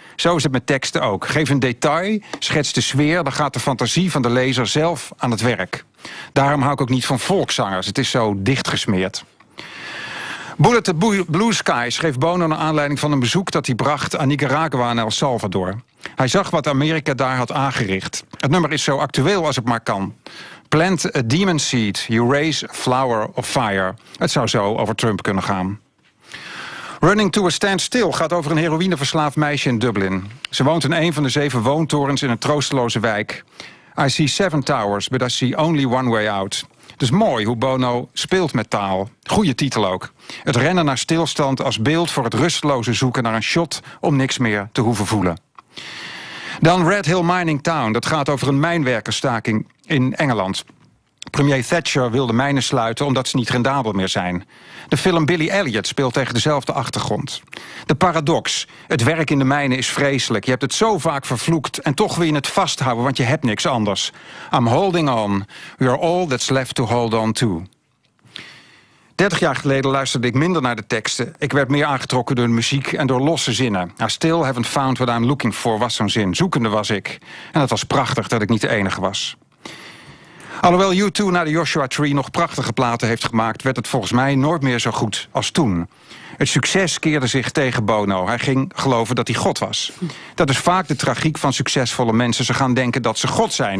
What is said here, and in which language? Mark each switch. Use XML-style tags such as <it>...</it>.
<nl>Zo is het met teksten ook. Geef een detail, schets de sfeer, dan gaat de fantasie van de lezer zelf aan het werk. Daarom hou ik ook niet van volkszangers. Het is zo dichtgesmeerd. Bullet the Blue Sky schreef Bono naar aanleiding van een bezoek dat hij bracht aan Nicaragua en El Salvador. Hij zag wat Amerika daar had aangericht. Het nummer is zo actueel als het maar kan.</nl> <en>Plant a demon seed, you raise a flower of fire.</en> <nl>Het zou zo over Trump kunnen gaan. Running to a Standstill gaat over een heroïneverslaafd meisje in Dublin. Ze woont in een van de 7 woontorens in een troosteloze wijk.</nl> <en>I see 7 towers, but I see only one way out.</en> <nl>Het is mooi hoe Bono speelt met taal. Goeie titel ook. Het rennen naar stilstand als beeld voor het rusteloze zoeken naar een shot om niks meer te hoeven voelen. Dan Red Hill Mining Town. Dat gaat over een mijnwerkersstaking in Engeland. Premier Thatcher wil de mijnen sluiten omdat ze niet rendabel meer zijn. De film Billy Elliot speelt tegen dezelfde achtergrond. De paradox. Het werk in de mijnen is vreselijk. Je hebt het zo vaak vervloekt en toch wil je het vasthouden, want je hebt niks anders.</nl> <en>I'm holding on. We are all that's left to hold on to.</en> <nl>30 jaar geleden luisterde ik minder naar de teksten. Ik werd meer aangetrokken door de muziek en door losse zinnen.</nl> <en>I still haven't found what I'm looking for</en> <nl>was zo'n zin. Zoekende was ik. En het was prachtig dat ik niet de enige was. Alhoewel U2 na de Joshua Tree nog prachtige platen heeft gemaakt, werd het volgens mij nooit meer zo goed als toen. Het succes keerde zich tegen Bono. Hij ging geloven dat hij God was. Dat is vaak de tragiek van succesvolle mensen. Ze gaan denken dat ze God zijn.</nl>